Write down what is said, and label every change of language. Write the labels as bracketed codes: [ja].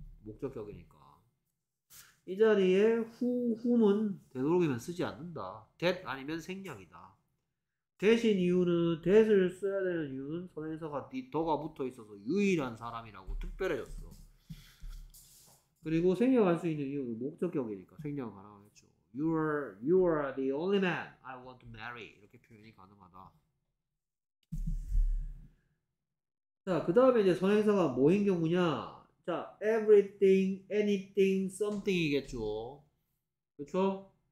[ko] 목적격이니까. 이 자리에 who, whom은 되도록이면 쓰지 않는다. that 아니면 생략이다. that인 이유는 that을 써야 되는 이유는 선행사가 the, 더가 붙어 있어서 유일한 사람이라고 특별해졌어. 그리고 생략할 수 있는 이유는 목적격이니까 생략 가능하겠죠. [en] You are the only man I want to marry. [ko] 이렇게 표현이 가능하다. 자, 그 다음에 이제 선행사가 뭐인 경우냐? 자, everything, anything, something이겠죠. 그렇죠?